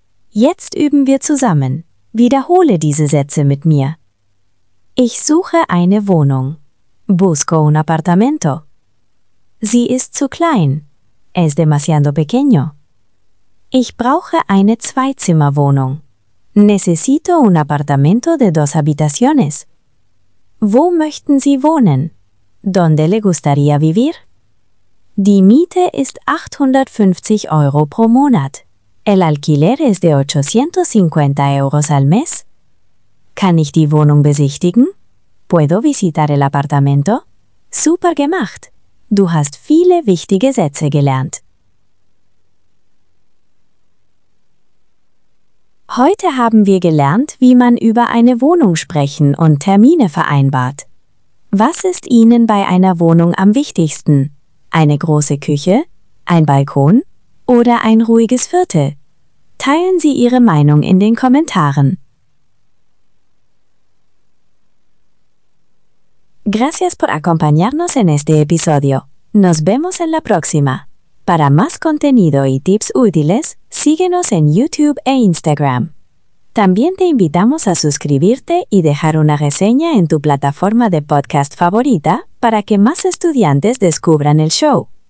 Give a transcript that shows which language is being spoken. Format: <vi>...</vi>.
<de>Jetzt üben wir zusammen. Wiederhole diese Sätze mit mir. Ich suche eine Wohnung.</de> <es>Busco un appartamento.</es> <de>Sie ist zu klein.</de> <es>Es demasiado pequeño.</es> <de>Ich brauche eine Zwei-Zimmer-Wohnung.</de> <es>Necesito un apartamento de dos habitaciones.</es> <de>Wo möchten Sie wohnen?</de> <es>¿Dónde le gustaría vivir?</es> <de>Die Miete ist 850 Euro pro Monat.</de> <es>El alquiler es de 850 euros al mes.</es> <de>¿Kann ich die Wohnung besichtigen?</de> <es>¿Puedo visitar el apartamento?</es> <de>Super gemacht. Du hast viele wichtige Sätze gelernt. Heute haben wir gelernt, wie man über eine Wohnung sprechen und Termine vereinbart. Was ist Ihnen bei einer Wohnung am wichtigsten? Eine große Küche? Ein Balkon? Oder ein ruhiges Viertel? Teilen Sie Ihre Meinung in den Kommentaren.</de> <es>Gracias por acompañarnos en este episodio. Nos vemos en la próxima. Para más contenido y tips útiles, síguenos en YouTube e Instagram. También te invitamos a suscribirte y dejar una reseña en tu plataforma de podcast favorita para que más estudiantes descubran el show.</es>